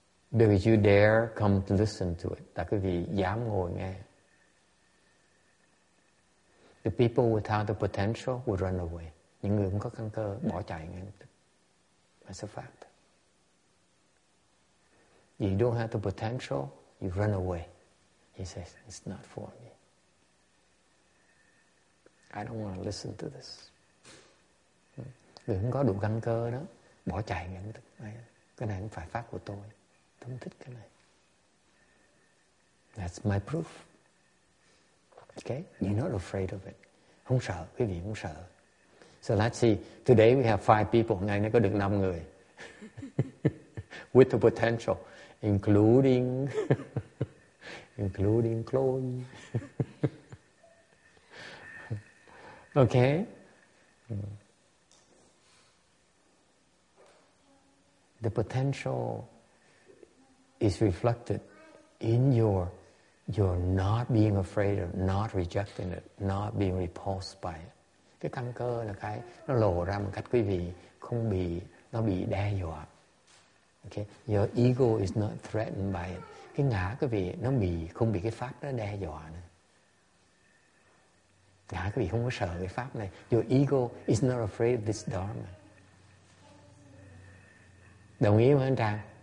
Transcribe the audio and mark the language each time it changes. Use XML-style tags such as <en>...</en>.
<en>Because you dare come to listen to it.</en> <vi>Là quý vị dám ngồi nghe.</vi> <en>The people without the potential would run away.</en> <vi>Những người không có căn cơ bỏ chạy ngay.</vi> <en>That's a fact. You don't have the potential, you run away. He says, it's not for me. I don't want to listen to this.</en> <vi>Người không có đủ căn cơ đó, bỏ chạy ngay. Cái này không phải pháp của tôi. Tôi thích cái này.</vi> <en>That's my proof. Okay? You're not afraid of it.</en> <vi>Không sợ, quý vị không sợ.</vi> <en>So let's see. Today we have 5 people.</en> <vi>Ngày nay có được 5 người.</vi> <en>With the potential, including Chloe. Okay. The potential is reflected in your not being afraid of, not rejecting it, not being repulsed by it.</en> <vi>Cái căn cơ là cái nó lộ ra một cách quý vị không bị nó bị đe dọa.</vi> <en>Okay, your ego is not threatened by it.</en> <vi>Cái ngã quý vị nó bị không bị cái pháp đó đe dọa nữa. Ngã quý vị không có sợ cái pháp này.</vi> <en>Your ego is not afraid of this dharma.</en> <vi>Đồng ý không anh Trang?</vi>